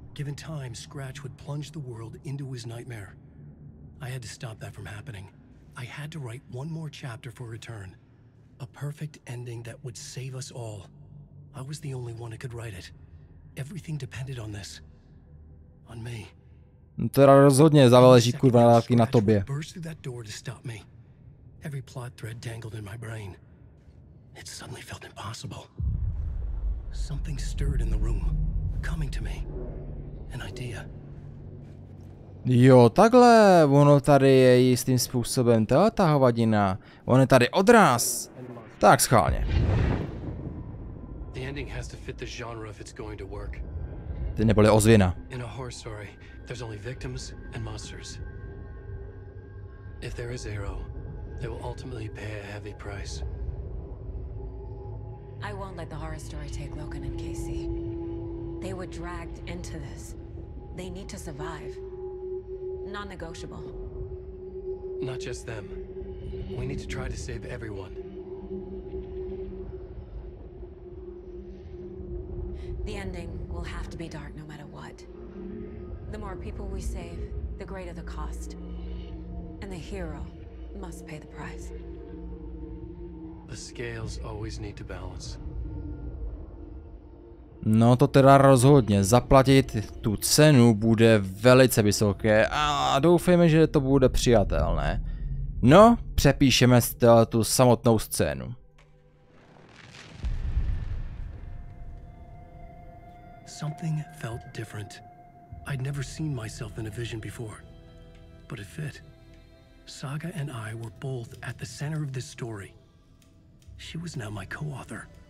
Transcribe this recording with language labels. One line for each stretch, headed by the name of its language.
English: Given time, Scratch would plunge the world into his nightmare. I had to stop that from happening. I had to write one more chapter for Return. A perfect ending that would save us all. I was the only one who could write it. Everything depended on this. On me.
Czech: Teda rozhodně záleží kurva taky na tobě.
English: Burst through that door to stop me. Every plot thread dangled in my brain. It suddenly felt impossible. Something stirred in the room, coming to me. An idea.
Czech: Jo, takhle, ono tady je jistým způsobem ta hovadina. On je tady odraz. Tak schválně.
English: The ending has to fit the genre if it's going to work.
Czech: Ty neboli ozvěna.
English: In a horror story, there's only victims and monsters. If there is a hero, they will ultimately pay a heavy price. I won't let the horror story take Logan and Casey. They were dragged into this. They need to survive. Non-negotiable. Not just them. We need to try to save everyone. The ending will have to be dark no matter what. The more people we save, the greater the cost. And the hero must pay the price. The scales always need to balance.
Czech: No to teda rozhodně, zaplatit tu cenu bude velice vysoké a doufejme, že to bude přijatelné. No, přepíšeme si tu samotnou scénu.
English: Something felt different. I'd never seen myself in a vision before. But it fit. Saga and I were both at the center of this story. She was now my co-author.